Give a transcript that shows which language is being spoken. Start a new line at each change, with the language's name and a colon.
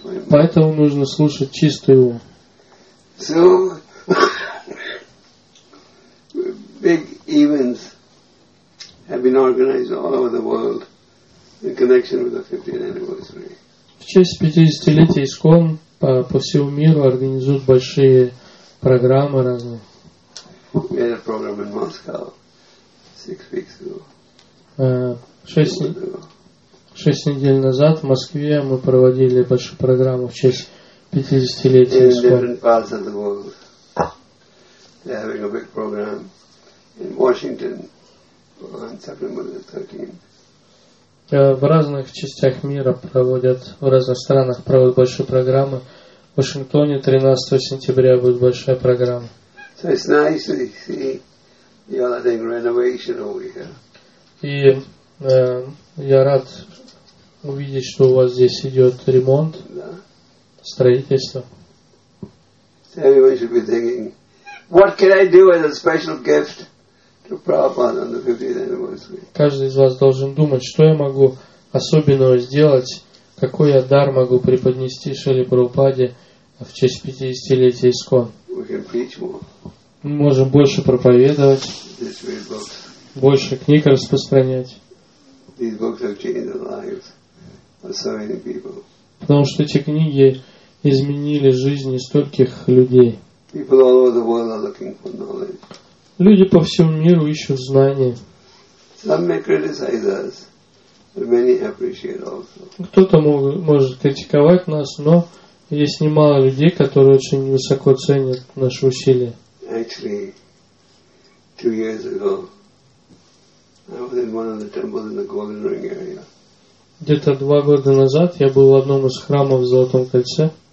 Russian: Поэтому нужно слушать чистый ум.
English: So, big events have been organized all over the world in connection with the 50th anniversary.
Russian: В честь 50-летия ИСККОН по всему миру организуют большие программы разные.
English: We had a program in Moscow 6 weeks ago.
Russian: 6 недель назад в Москве мы проводили большую программу в честь 50-летия ИСККОН.
English: In different parts of the world, they're having a big program in Washington on September the 13th.
Russian: В разных частях мира проводят, в разных странах проводят большие программы. В Вашингтоне 13 сентября будет большая программа.
English: So it's nice to see the other renovation over here.
Russian: И я рад увидеть, что у вас здесь идет ремонт, yeah, строительство.
English: So everyone should be thinking, what can I do as a special gift to Prabhupada on the 50th anniversary?
Russian: Каждый из вас должен думать, что я могу особенного сделать, какой я дар могу преподнести Шриле Прабхупаде в честь 50-летия ИСККОН.
English: We can preach more.
Russian: Мы можем больше проповедовать,
English: this great book,
Russian: больше книг распространять.
English: These books have changed their lives.
Russian: Потому что эти книги изменили жизни стольких людей.
English: People all over the world are looking for knowledge.
Russian: Люди по всему миру ищут знания.
English: Some may criticize us, but many appreciate also.
Russian: Кто-то может критиковать нас, но есть немало людей, которые очень высоко ценят наши усилия.
English: Actually, 2 years ago, I was in one of the temples in the Golden Ring area.
Russian: Где-то 2 года назад я был в одном из храмов в Золотом Кольце.